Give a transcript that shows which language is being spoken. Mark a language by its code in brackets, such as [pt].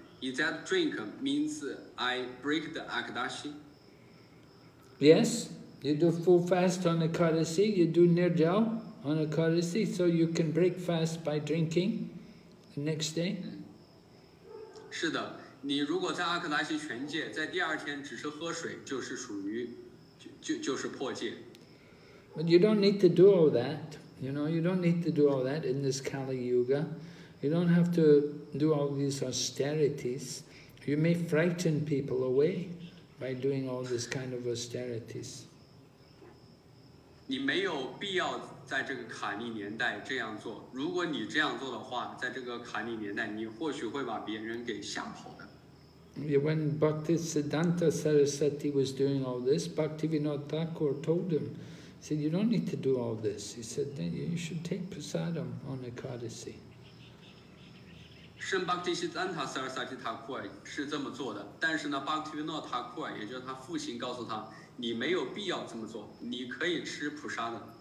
[en] Is that drink means I break the Akadashi? Yes, you do full fast on Akadashi, you do nirjal on Akadashi, so you can break fast by drinking the next day. [zh] 是的。你如果在阿克达西全戒，在第二天只是喝水，就是属于，就是破戒。 [en] But you don't need to do all that. You know, you don't need to do all that in this Kali Yuga. You don't have to do all these austerities. You may frighten people away by doing all this kind of austerities. [zh] 你没有必要在这个卡利年代这样做。如果你这样做的话，在这个卡利年代，你或许会把别人给吓跑。 [en] When Bhaktisiddhanta Sarasvati was doing all this, Bhaktivinoda Thakur told him, he said, you don't need to do all this. He said, then you should take prasadam on Akadasi. [zh] Bhaktisiddhanta Sarasvati Thakur 是这么做的，但是呢 Bhaktivinoda Thakur 也就是他父亲告诉他，你没有必要这么做，你可以吃 prasadam。